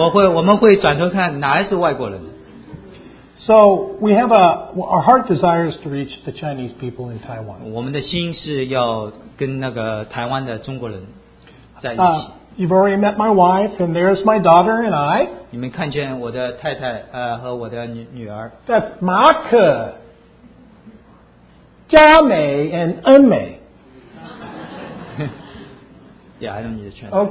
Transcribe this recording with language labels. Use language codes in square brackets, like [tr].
[zh] 我们会转头看哪是外国人。 [en] So we have our heart desires to reach the Chinese people in Taiwan. [zh] 我们的心是要跟那个台湾的中国人在一起。 [en] You've already met my wife, and there's my daughter and I. [zh] 你们看见我的太太和我的女儿。 [en] That's Mark, Jia Mei, and En Mei. Yeah, I don't need to translate.